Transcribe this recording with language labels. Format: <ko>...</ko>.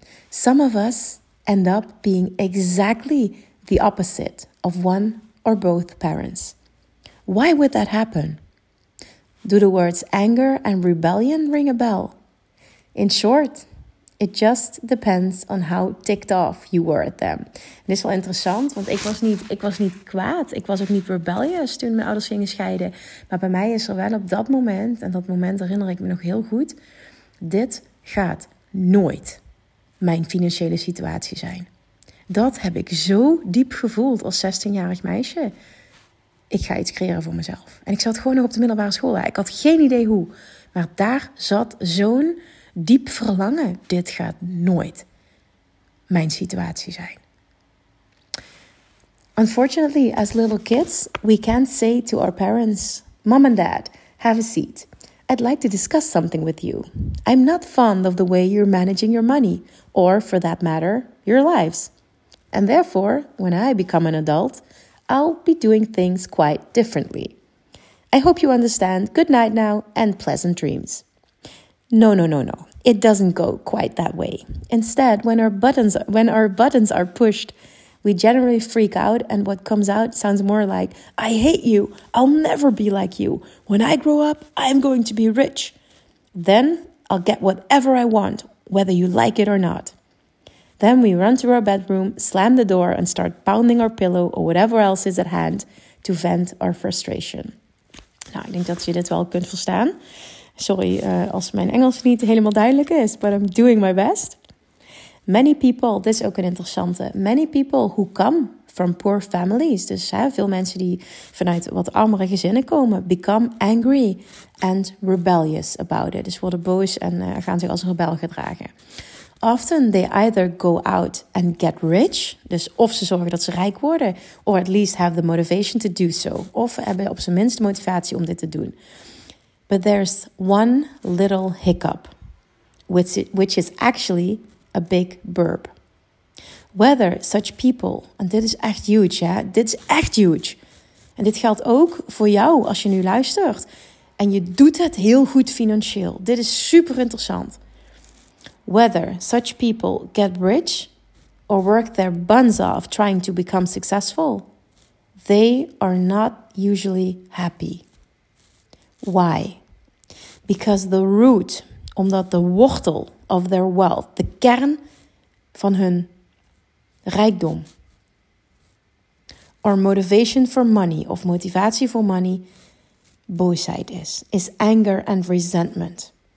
<en>Some of us end up being exactly the opposite of one or both parents. Why would that happen? Do the words anger and rebellion ring a bell? In short, it just depends on how ticked off you were at them.</en> <nl>Dit is wel interessant, want ik was niet kwaad. Ik was ook niet rebellious toen mijn ouders gingen scheiden. Maar bij mij is er wel op dat moment, en dat moment herinner ik me nog heel goed, dit gaat nooit mijn financiële situatie zijn. Dat heb ik zo diep gevoeld als 16-jarig meisje. Ik ga iets creëren voor mezelf. En ik zat gewoon nog op de middelbare school. Ik had geen idee hoe. Maar daar zat zo'n diep verlangen, dit gaat nooit mijn situatie zijn.</nl> <en>Unfortunately, as little kids, we can't say to our parents, Mom and Dad, have a seat. I'd like to discuss something with you. I'm not fond of the way you're managing your money, or for that matter, your lives. And therefore, when I become an adult, I'll be doing things quite differently. I hope you understand. Good night now and pleasant dreams. No, no, no, no. It doesn't go quite that way. Instead, when our buttons are pushed, we generally freak out, and what comes out sounds more like, I hate you. I'll never be like you. When I grow up, I'm going to be rich. Then I'll get whatever I want, whether you like it or not. Then we run to our bedroom, slam the door, and start pounding our pillow or whatever else is at hand to vent our frustration.</en> <nl>Nou, ik denk dat je dit wel kunt verstaan. Sorry als mijn Engels niet helemaal duidelijk is,</nl> <en>but I'm doing my best. Many people,</en> <nl>dit is ook een interessante,</nl> <en>many people who come from poor families,</en> <nl>dus hè, veel mensen die vanuit wat armere gezinnen komen,</nl> <en>become angry and rebellious about it.</en> <nl>Dus worden boos en gaan zich als rebel gedragen.</nl> <en>Often they either go out and get rich,</en> <nl>dus of ze zorgen dat ze rijk worden,</nl> <en>or at least have the motivation to do so,</en> <nl>of hebben op zijn minst de motivatie om dit te doen.</nl> <en>But there's one little hiccup, which is actually a big burp. Whether such people, and</en> <nl>dit is echt huge, hè? Dit is echt huge. En dit geldt ook voor jou als je nu luistert. En je doet het heel goed financieel. Dit is super interessant.</nl> <en>Whether such people get rich or work their buns off trying to become successful, they are not usually happy. Why? Because the root,</en> <nl>omdat de wortel</nl> <en>of their wealth,</en> <nl>de kern van hun rijkdom,</nl> <en>or motivation for money,</en> <nl>of motivatie voor money, boosheid is</nl> <en>anger and resentment.</en>